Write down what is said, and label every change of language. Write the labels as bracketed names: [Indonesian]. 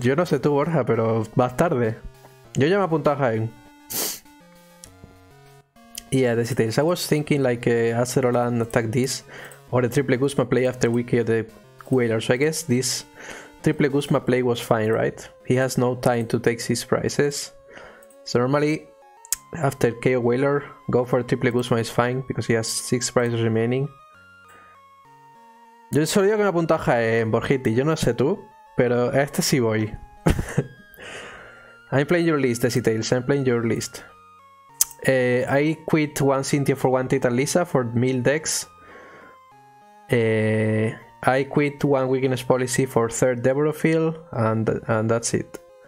[Spanish] Yo no sé tú, Borja, pero más tarde. Yo ya me apunto a Jaén. [English] Yeah, Desitales. I was thinking like Acerola and attack this. Or the triple Guzma play after we kill the Wailer. So I guess this triple Guzma play was fine, right? He has no time to take his prizes. So normally, after KO Wailer, go for triple Guzma is fine because he has 6 prizes remaining. [Spanish] Yo solo digo que me apunto a Jaén, Borgiti, yo no sé tú, pero este sí voy. [English] I'm playing your list, Desitales, I'm playing your list. I quit one Cynthia for one Tatalisa for 1000 decks. I quit one weakness policy for 3rd Deborah Field, and that's it.